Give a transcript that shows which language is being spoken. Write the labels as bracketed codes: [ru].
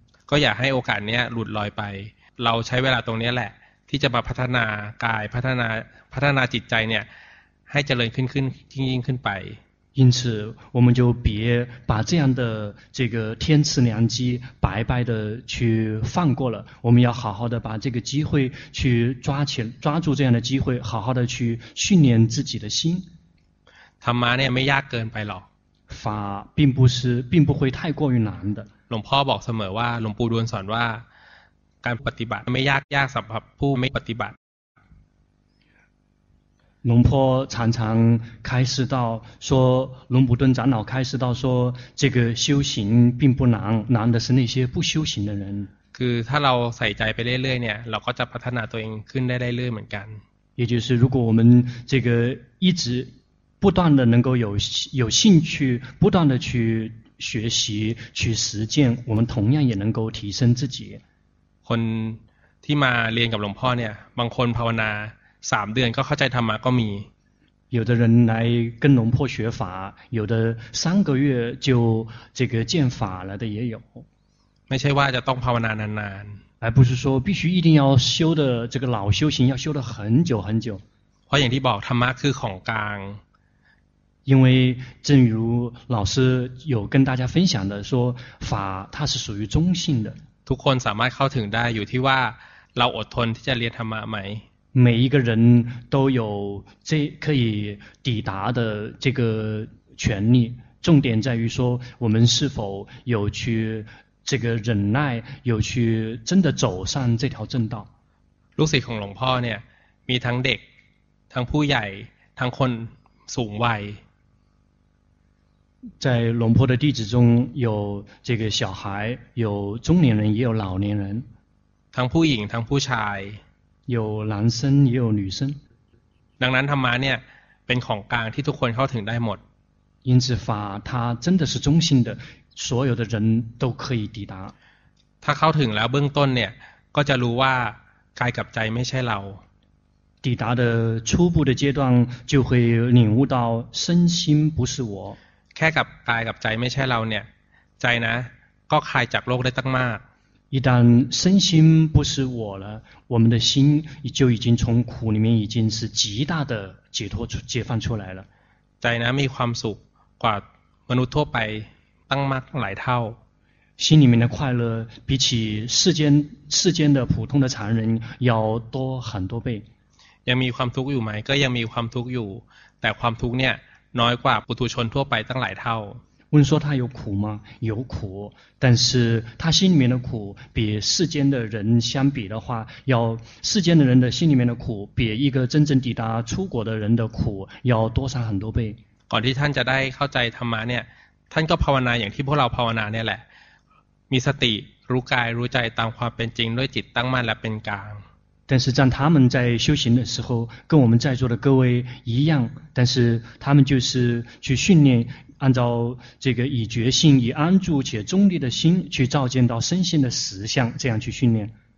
[th] ก็อย่าให้โอกาสนี้หลุดลอยไปเราใช้เวลาตรงนี้แหละที่จะมาพัฒนากายพัฒนาจิตใจเนี่ยให้เจริญขึ้นไป [zh] 因此我们就别把这样的这个天赐良机白白的去放过了我们要好好的把这个机会去抓住这样的机会好好的去训练自己的心 [th] ธรรมะเนี่ยไม่ยากเกินไปหรอก [zh] 法并不会太过于难的 [th] หลวงพ่อบอกเสมอว่าหลวงปู่ดวลสอนว่าการปฏิบัติไม่ยากยากสำหรับผู้ไม่ปฏิบัติ [zh] หลวงพ่อ常常开示到说หลวงปู่ดวล长老开示到说这个修行并不难难的是那些不修行的人 [th] คือถ้าเราใส่ใจไปเรื่อยๆเนี่ยเราก็จะพัฒนาตัวเองขึ้นได้เรื่อยๆเหมือนกัน [zh] 也就是如果我们这个一直不断的能够有兴趣不断的去学习去实践我们同样也能够提升自己 [th] คนที่มาเรียนกับหลวงพ่อเนี่ยบางคนภาวนา3เดือนก็เข้าใจธรรมะก็มี [zh] 有的人来跟龙破学法有的3个月就这个见法了的也有 [th] ไม่ใช่ว่าจะต้องภาวนานานๆ [zh] 而不是说必须一定要修的这个老修行要修的很久很久 [th] เพราะอย่างที่บอกธรรมะคือของกลาง [zh] 因为正如老师有跟大家分享的说法它是属于中性的 [th] ทุกคนสามารถเข้าถึงได้อยู่ที่ว่าเราอดทนที่จะเรียนธรรมะไหม [zh] 每一个人都有这可以抵达的这个权利重点在于说我们是否有去这个忍耐有去真的走上这条正道 [th] ลูกศิษย์ของหลวงพ่อเนี่ยมีทั้งเด็กทั้งผู้ใหญ่ทั้งคนสูงวัย [zh] 在龙坡的弟子中有这个小孩有中年人也有老年人 [th] ทั้งผู้หญิงทั้งผู้ชาย [zh] 有男生也有女生 [th] ดังนั้นธรรมะเนี่ยเป็นของกลางที่ทุกคนเข้าถึงได้หมด [zh] 因此法它真的是中性的所有的人都可以抵达 [th] ถ้าเข้าถึงแล้วเบื้องต้นเนี่ยก็จะรู้ว่ากายกับใจไม่ใช่เรา [zh] 抵达的初步的阶段就会领悟到身心不是我 [th] แค่กับกายกับใจไม่ใช่เราเนี่ยใจนะก็คลายจากโลกได้ตั้งมาก [zh] 一旦身心不是我了我们的心就已经从苦里面已经是极大的解脱出解放出来了 [th] ใจนะมีความสุขกว่ามนุษย์ทั่วไปตั้งมากหลายเท่า [zh] 心里面的快乐比起世间的普通的常人要多很多倍 [th] ยังมีความทุกข์อยู่ไหมก็ยังมีความทุกข์อยู่แต่ความทุกข์เนี่ยน้อยกว่าปุถุชนทั่วไปตั้งหลายเท่า [zh] 问说他有苦吗有苦但是他心里面的苦比世间的人相比的话要世间的人的心里面的苦比一个真正抵达出国的人的苦要多上很多倍 [th] ก่อนที่ท่านจะได้เข้าใจธรรมะเนี่ยท่านก็ภาวนาอย่างที่พวกเราภาวนาเนี่ยแหละมีสติรู้กายรู้ใจตามความเป็นจริงด้วยจิตตั้งมั่นและเป็นกลาง [zh] 但是像他们在修行的时候跟我们在座的各位一样但是他们就是去训练按照这个以决心以安住且中立的心去照见到身心的实相这样去训练